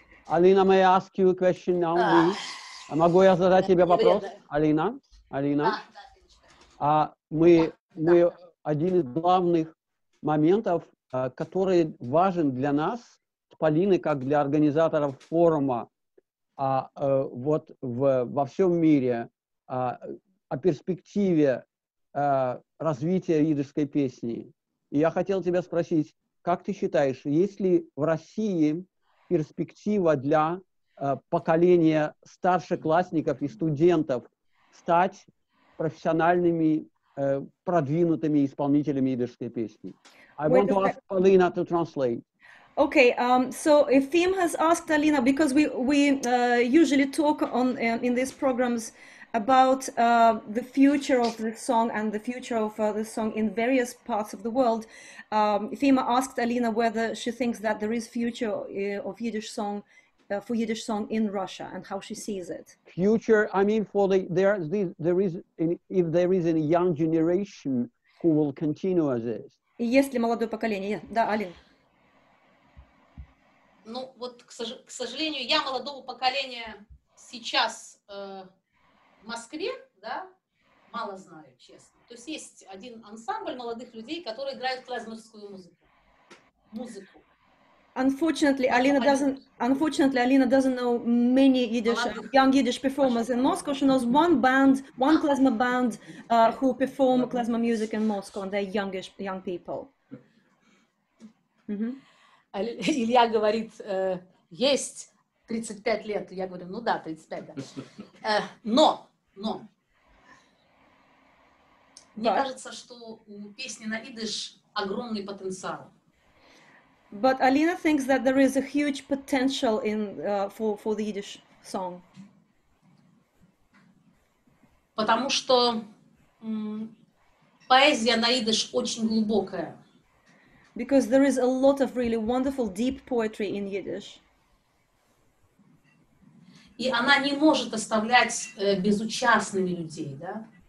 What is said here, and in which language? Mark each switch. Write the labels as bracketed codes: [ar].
[en] Алина, may I ask you a question now? [ru] Могу я задать тебе вопрос, Алина? Алина? Мы один из главных моментов, который важен для нас, Полины, как для организаторов форума, вот во всем мире, о перспективе развития идышской песни. И я хотел тебя спросить, как ты считаешь, есть ли в России перспектива для поколения старшеклассников и студентов стать профессиональными, продвинутыми исполнителями идышской песни? [en] I want to ask Полина to translate. Okay, so if Fim has asked Alina, because we usually talk on in these programs about the future of the song and the future of the song in various parts of the world, Fim asked Alina whether she thinks that there is future of Yiddish song for Yiddish song in Russia and how she sees it. Future, I mean, for if there is a young generation who will continue as this. [ru] Есть ли молодое поколение? Да, Алина. Ну, вот, к сожалению, я молодого поколения сейчас в Москве, да, мало знаю, честно. То есть есть один ансамбль молодых людей, которые играют клезмерскую музыку. Музыку. [en] Unfortunately, Alina doesn't know many Yiddish, young Yiddish performers in Moscow. She knows one band, one klezmer band, who perform klezmer music in Moscow, and they're youngish, young people. [ru] Mm-hmm. Илья говорит, есть 35 лет. Я говорю, ну да, 35, да. Но. Мне кажется, что у песни на идыш огромный потенциал. [en] But Alina thinks that there is a huge potential in for the Yiddish song. [ru] Потому что поэзия на идыш очень глубокая. [en] Because there is a lot of really wonderful deep poetry in Yiddish. [ru] И она не может оставлять безучастными людей, да?